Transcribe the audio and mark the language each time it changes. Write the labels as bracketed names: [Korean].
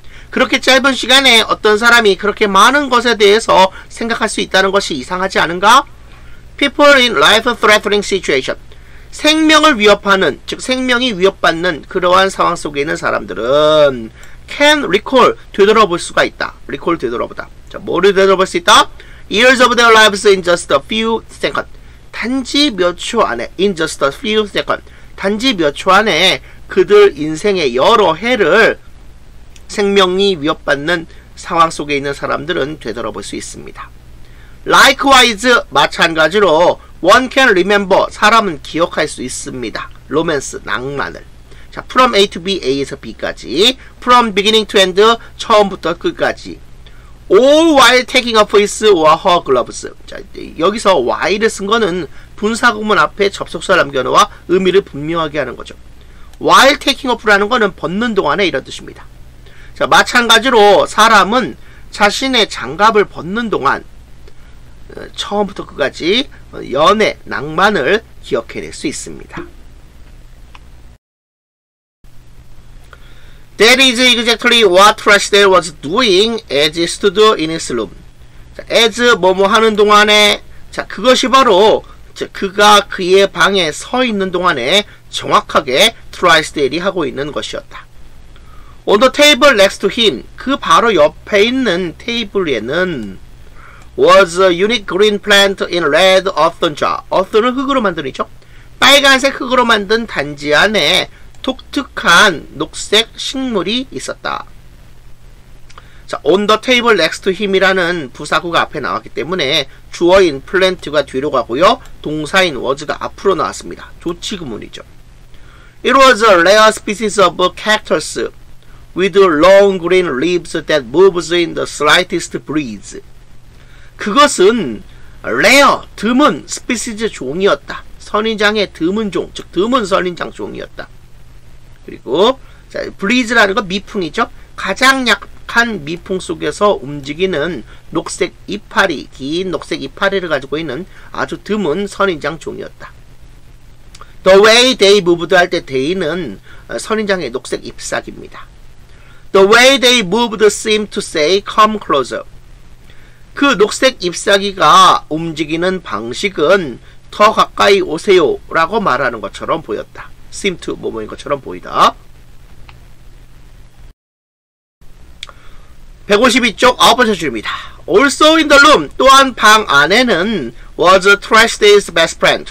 [Korean] 그렇게 짧은 시간에 어떤 사람이 그렇게 많은 것에 대해서 생각할 수 있다는 것이 이상하지 않은가? [English] People in life-threatening situation. [Korean] 생명을 위협하는, 즉 생명이 위협받는 그러한 상황 속에 있는 사람들은 [English] can recall, [Korean] 되돌아볼 수가 있다. recall, 되돌아보다. 자, 뭐를 되돌아볼 수 있다? [English] Years of their lives in just a few seconds. [Korean] 단지 몇 초 안에, [English] in just a few seconds. [Korean] 단지 몇 초 안에 그들 인생의 여러 해를 생명이 위협받는 상황 속에 있는 사람들은 되돌아볼 수 있습니다. [English] Likewise, [Korean] 마찬가지로 [English] One can remember. [Korean] 사람은 기억할 수 있습니다. 로맨스, 낭만을. 자, [English] from A to B, [Korean] A에서 B까지. [English] From beginning to end, [Korean] 처음부터 끝까지. [English] All while taking off his or her gloves. [Korean] 자, 여기서 while을 쓴 거는 분사구문 앞에 접속사를 남겨놓아 의미를 분명하게 하는 거죠. [English] While taking off [Korean] 라는 거는 벗는 동안에 이런 뜻입니다. 자, 마찬가지로 사람은 자신의 장갑을 벗는 동안 처음부터 끝까지 연애, 낭만을 기억해낼 수 있습니다. [English] That is exactly what Trysdale was doing as he stood in his room. [Korean] As 뭐뭐 하는 동안에, 자, 그것이 바로 그가 그의 방에 서 있는 동안에 정확하게 Trysdale이 하고 있는 것이었다. [English] On the table next to him, [Korean] 그 바로 옆에 있는 테이블에는 [English] was a unique green plant in red earthen jar. [Korean] earthen은 흙으로 만든 이죠. 빨간색 흙으로 만든 단지 안에 독특한 녹색 식물이 있었다. 자, [English] on the table next to him [Korean] 이라는 부사구가 앞에 나왔기 때문에 주어인 plant가 뒤로 가고요. 동사인 was가 앞으로 나왔습니다. 조치구문이죠. [English] It was a rare species of cactus. with long green leaves that moves in the slightest breeze. [Korean] 그것은 rare, 드문 species 종이었다. 선인장의 드문 종, 즉 드문 선인장 종이었다. 그리고 자, breeze라는 건 미풍이죠. 가장 약한 미풍 속에서 움직이는 녹색 이파리, 긴 녹색 이파리를 가지고 있는 아주 드문 선인장 종이었다. [English] The way they moved [Korean] 할 때 they는 선인장의 녹색 잎사귀입니다. [English] The way they moved seemed to say come closer. [Korean] 그 녹색 잎사귀가 움직이는 방식은 더 가까이 오세요 라고 말하는 것처럼 보였다. seem to 뭐뭐인 것처럼 보이다. 152쪽 아홉 번째 줄입니다. [English] Also in the room, [Korean] 또한 방 안에는 [English] was Trash Day's best friend.